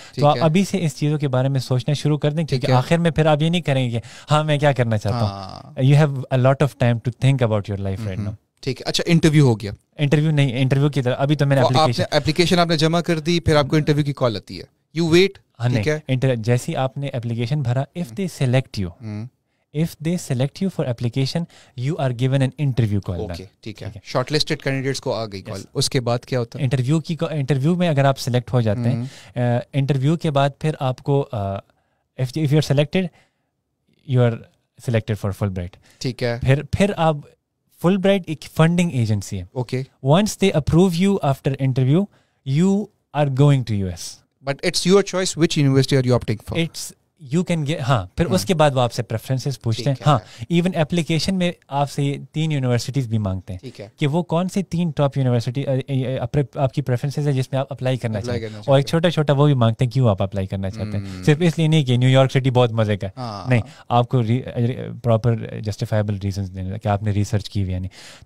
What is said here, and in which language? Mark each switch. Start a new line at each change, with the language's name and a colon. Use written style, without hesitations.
Urdu: تو آپ ابھی سے اس چیزوں کے بارے میں سوچنا شروع کر دیں کیونکہ آخر میں پھر آپ یہ نہیں کریں گے کہ ہاں میں کیا کرنا چاہتا ہوں.
English: You have a lot of time to think about your life right now.
Urdu: ٹھیک ہے. اچھا انٹرویو ہو گیا. انٹرویو نہیں, انٹرویو کی طرح ابھی تو میں نے اپلیکیشن آپ نے جمع کر دی, پھر آپ کو انٹرویو کی کال آتی ہے.
English: you wait
Urdu: جیسی آپ نے اپلیکیشن بھرا,
English: If they select you, if they select you for application you are given an interview call.
Urdu: ٹھیک ہے, شارٹ لسٹڈ کینڈیڈیٹس کو آ گئی کال, اس کے بعد کیا ہوتا ہے؟ انٹرویو کی, انٹرویو میں اگر آپ سلیکٹ ہو جاتے ہیں, انٹرویو کے بعد پھر آپ کو,
English: If you are selected, you are selected for Fulbright.
Urdu: ٹھیک ہے, پھر پھر آپ, فل برائٹ ایک فنڈنگ ایجنسی ہے.
English: Okay, once they approve you after interview, you are going to U S. But it's your choice which university are you opting for. It's, you can get,
Urdu: ہاں پھر اس کے بعد وہ آپ سے پریفرنسز پوچھتے ہیں. ہاں, ایون اپلیکیشن میں آپ سے تین یونیورسٹیز بھی مانگتے ہیں کہ وہ کون سی تین ٹاپ یونیورسٹی آپ کی پریفرنسز ہے جس میں آپ اپلائی کرنا چاہتے ہیں, اور ایک چھوٹا چھوٹا وہ بھی مانگتے ہیں کیوں آپ اپلائی کرنا چاہتے ہیں. صرف اس لیے نہیں کہ نیو یارک سٹی بہت مزے کا, نہیں, آپ کو پراپر جسٹیفائبل ریزنز دینے کہ آپ نے ریسرچ کی ہوئی یا نہیں.